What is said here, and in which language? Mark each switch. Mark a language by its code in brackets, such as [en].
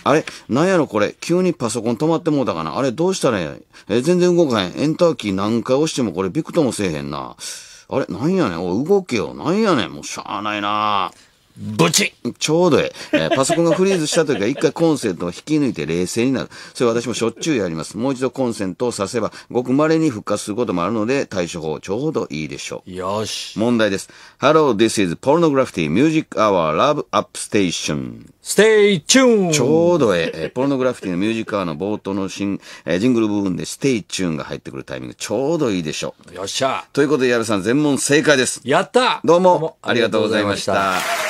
[ja] あれなんやろこれ、急にパソコン止まってもうたかな、あれどうしたらええ、全然動かへん、エンターキー何回押してもこれびくともせえへんな、あれ何やねん、おい動けよ、何やねん、もうしゃあないな、ブチッ、ちょうどえ、パソコンがフリーズした時は一回コンセントを引き抜いて冷静になる、それ私もしょっちゅうやります。もう一度コンセントをさせばごく稀に復活することもあるので対処法ちょうどいいでしょう。よし、問題です。 [en] Hello this is pornography music hour love up station stay tuned、 [ja] ちょうどえ、ポルノグラフィティのミュージックアワーの冒頭のジングル部分で [en] stay tuned [ja] が入ってくるタイミングちょうどいいでしょう。よっしゃ、ということでヤルさん全問正解です。やった、どうもありがとうございました。